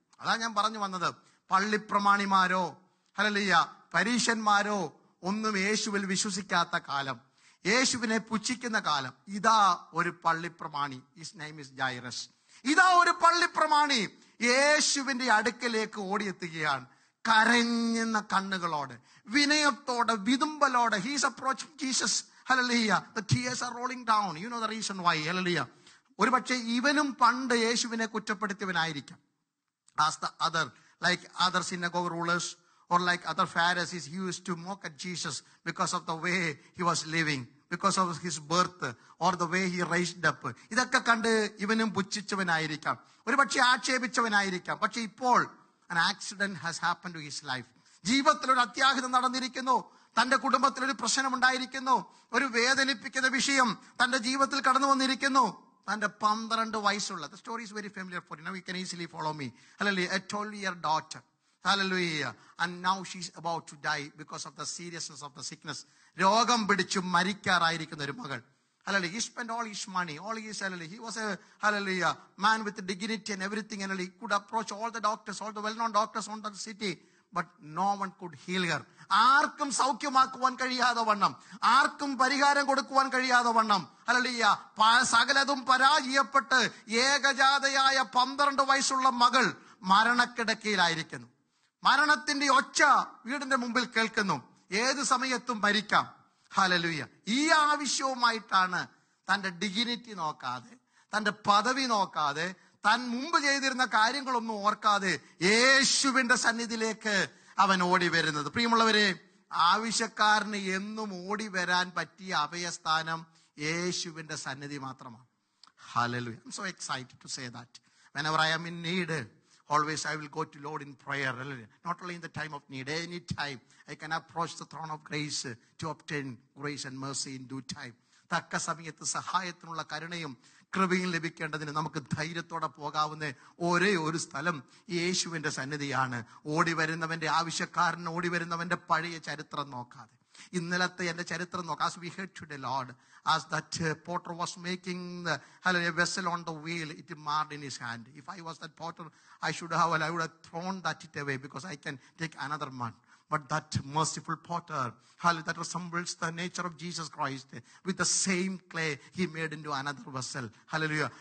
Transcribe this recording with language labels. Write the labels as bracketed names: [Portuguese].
[Malayalam] അതാ ഞാൻ പറഞ്ഞു വന്നത്, പള്ളിപ്രമാണിമാരോ ഹല്ലേലൂയ പരീശന്മാരോ ഒന്നും യേശുവിൽ വിശ്വസിക്കാത്ത കാലം, യേശുവിനെ പുച്ഛിക്കുന്ന കാലം, ഇതാ ഒരു പള്ളിപ്രമാണി, [English] his name is Jairus, [Malayalam] ഇതാ ഒരു പള്ളിപ്രമാണി യേശുവിന്റെ അടുക്കലേക്ക് ഓടിയെത്തുകയാണ് കരഞ്ഞുന്ന കണ്ണുകളോട്, വിനയത്തോടെ, വിതുമ്പലോടെ. [English] He's approaching Jesus. Hallelujah, the tears are rolling down, you know the reason why. Hallelujah. [Malayalam] ഒരുപക്ഷെ ഇവനും പണ്ട് യേശുവിനെ കുറ്റപ്പെടുത്തിയവനായിരിക്കാം. [English] As the other, like other synagogue rulers or like other Pharisees, he used to mock at Jesus because of the way he was living, because of his birth or the way he raised up. [Malayalam] ഇതൊക്കെ കണ്ട് ഇവനും പുച്ഛിച്ചവനായിരിക്കാം, ഒരു പക്ഷേ ആക്ഷേപിച്ചവനായിരിക്കാം. പക്ഷെ ഇപ്പോൾ [English] an accident has happened to his life. [Malayalam] ജീവിതത്തിൽ ഒരു അത്യാഹിതം നടന്നിരിക്കുന്നു, തന്റെ കുടുംബത്തിൽ ഒരു പ്രശ്നം ഉണ്ടായിരിക്കുന്നു, ഒരു വേദനിപ്പിക്കുന്ന വിഷയം തന്റെ ജീവിതത്തിൽ കടന്നു വന്നിരിക്കുന്നു. തന്റെ 12 വയസ്സുള്ള, [English] the story is very familiar for you, now you can easily follow me. Hallelujah. A 12-year daughter. Hallelujah. And now she's about to die because of the seriousness of the sickness. [Malayalam] രോഗം പിടിച്ചു മരിക്കാറായിരിക്കുന്ന ഒരു മകൾ. Hallelujah. [English] He spent all his money, all his salary. He was a, hallelujah, man with dignity and everything. Hallelujah. He could approach all the doctors, all the well-known doctors on the city, but no one could heal her. [Malayalam] ആർക്കും സൗഖ്യമാക്കുവാൻ കഴിയാതെ വണ്ണം, ആർക്കും പരിഹാരം കൊടുക്കുവാൻ കഴിയാതെ വണ്ണം, hallelujah, സകലതും പരാജയപ്പെട്ട് ഏകജാതയായ 12 വയസ്സുള്ള മകൾ മരണക്കിടക്കയിലായിരിക്കുന്നു. മരണത്തിന്റെ ഒച്ച വീടിന്റെ മുമ്പിൽ കേൾക്കുന്നു, ഏത് സമയത്തും മരിക്കാം. ഹല്ലേലൂയ. ഈ ആവശ്യവുമായിട്ടാണ് തന്റെ ഡിഗ്നിറ്റി നോക്കാതെ, തന്റെ പദവി നോക്കാതെ, തൻ മുമ്പ് ചെയ്തിരുന്ന കാര്യങ്ങളൊന്നും ഓർക്കാതെ യേശുവിന്റെ സന്നിധിയിലേക്ക് അവൻ ഓടി വരുന്നത്. പ്രിയമുള്ളവരെ, ആവശ്യക്കാരന് എന്നും ഓടി വരാൻ പറ്റിയ അഭയസ്ഥാനം യേശുവിന്റെ സന്നിധി മാത്രമാണ്. Hallelujah. [English] I'm so excited to say that whenever I am in need, always I will go to Lord in prayer. Not only in the time of need, any time I can approach the throne of grace to obtain grace and mercy in due time. [Malayalam] തക്ക സമയത്ത് സഹായത്തിനുള്ള കരുണയും കൃപയും ലഭിക്കേണ്ടതിന് നമുക്ക് ധൈര്യത്തോടെ പോകാവുന്ന ഒരേ ഒരു സ്ഥലം യേശുവിന്റെ സന്നിധിയാണ്. ഓടി വരുന്നവന്റെ ആവശ്യക്കാരനെ, ഓടി വരുന്നവന്റെ പഴയ ചരിത്രം നോക്കാതെ, ഇന്നലത്തെ എന്റെ ചരിത്രം നോക്കാം. [English] As we heard today, Lord, as that potter was making the vessel on the wheel, it marred in his hand. If I was that potter, I would have thrown that it away because I can take another one. But that merciful potter, hallelujah, that resembles the nature of Jesus Christ, with the same clay he made into another vessel. Hallelujah.